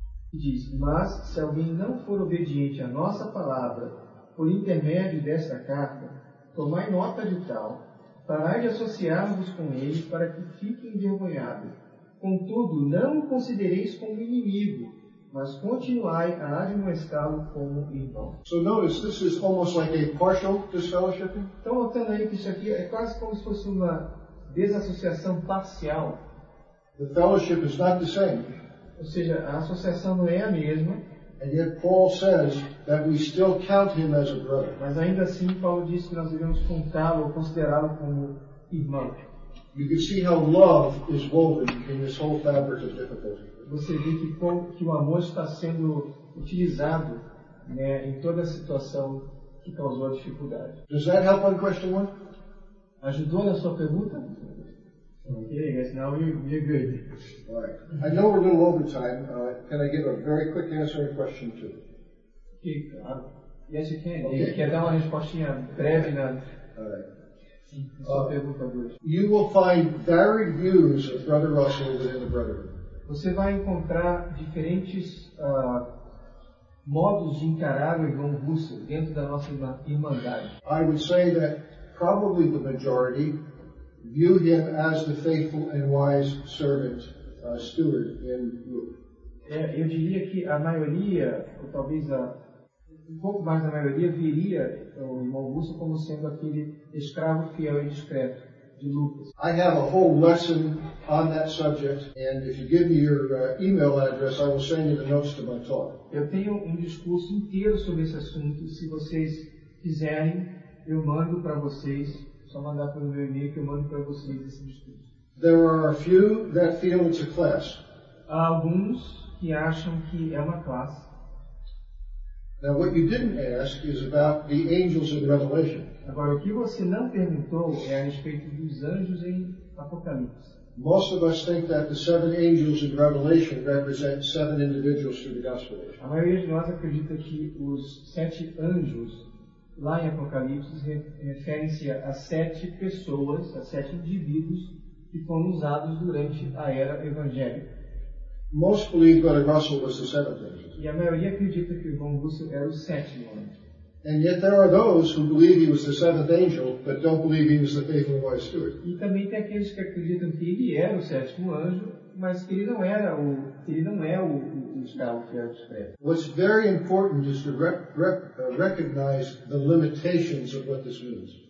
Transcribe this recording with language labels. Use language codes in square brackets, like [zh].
[pt] Que diz: mas se alguém não for obediente à nossa palavra por intermédio desta carta, tomai nota de tal, parai de associar-vos com ele para que fique envergonhado. Contudo, não o considereis como inimigo, mas continuai a admoestá-lo como irmão. [en] So notice, this is almost like a partial disfellowshipping. [pt] Então, notando aí que isso aqui é quase como se fosse uma desassociação parcial. [en] The fellowship is not the same. [pt] Ou seja, a associação não é a mesma. [en] And yet Paul says that we still count him as a brother. [pt] Mas ainda assim, Paulo diz que nós devemos contá-lo ou considerá-lo como irmão. [en] You can see how love is woven in this whole fabric of difficulty. [pt] Você vê que o amor está sendo utilizado, né, em toda a situação que causou a dificuldade. [en] Does that help on question one? [pt] Ajudou na sua pergunta? [en] Ok, yes, now you're good. All right. I know we're a little over time. Can I give a very quick answer to question two? Okay. Yes, you can. Okay. [pt] Quer dar uma respostinha breve na sua pergunta dois? [en] You will find varied views of Brother Russell within the brotherhood. [pt] Você vai encontrar diferentes modos de encarar o irmão Russell dentro da nossa irmandade. [en] I would say that probably the majority view him as the faithful and wise servant, steward in Luke. [pt] Eu diria que a maioria, ou talvez um pouco mais da maioria, veria o irmão Russell como sendo aquele escravo fiel e discreto de Lucas. [en] I have a whole lesson on that subject, and if you give me your email address, I will send you the notes to my talk. [pt] Eu tenho discurso inteiro sobre esse assunto, se vocês quiserem. Eu mando para vocês, só mandar pelo meu e-mail que eu mando para vocês esse discurso. [en] There are a few that feel it's a class. [pt] Há alguns que acham que é uma classe. [en] Now what you didn't ask is about the angels in Revelation. [pt] Agora, o que você não perguntou é a respeito dos anjos em Apocalipse. [en] Most of us think that the seven angels in Revelation represent seven individuals through the Gospel. [pt] A maioria de nós acredita que os sete anjos lá em Apocalipse referem-se a sete pessoas, a sete indivíduos que foram usados durante a era evangélica. [en] Most believe that Russell was the seventh angel. [pt] E a maioria acredita que o Russell era o sétimo anjo. [en] And yet there are those who believe he was the seventh angel, but don't believe he was the faithful wise steward. [pt] E também tem aqueles que acreditam que ele era o sétimo anjo, mas que ele não era o, que ele não é o escravo fiel dos pés. [en] What's very important is to recognize the limitations of what this means.